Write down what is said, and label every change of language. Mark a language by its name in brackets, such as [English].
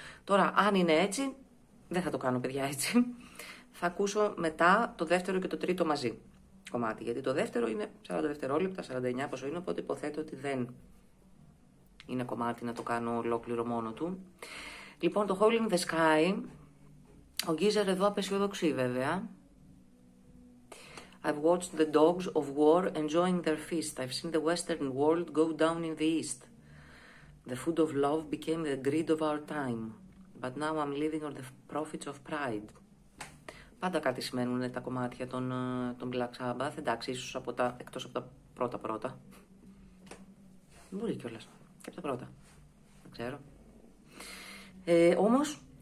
[Greek] Τώρα, αν είναι έτσι, δεν θα το κάνω, παιδιά, έτσι. Θα ακούσω μετά το δεύτερο και το τρίτο μαζί κομμάτι, γιατί το δεύτερο είναι 40 δευτερόλεπτα, 49 πόσο είναι, οπότε υποθέτω ότι δεν είναι κομμάτι να το κάνω ολόκληρο μόνο του. Λοιπόν, το Hole in the Sky, ο Γκίζερ εδώ απεσιοδοξεί βέβαια. [English] I've watched the dogs of war enjoying their feast. I've seen the western world go down in the east. The food of love became the greed of our time. But now I'm living on the profits of pride. [Greek] Πάντα κάτι σημαίνουν τα κομμάτια των Black Sabbath. Εντάξει, ίσως από τα, εκτός από τα πρώτα. Μπορεί κιόλας. Και από τα πρώτα. Δεν ξέρω. Όμως...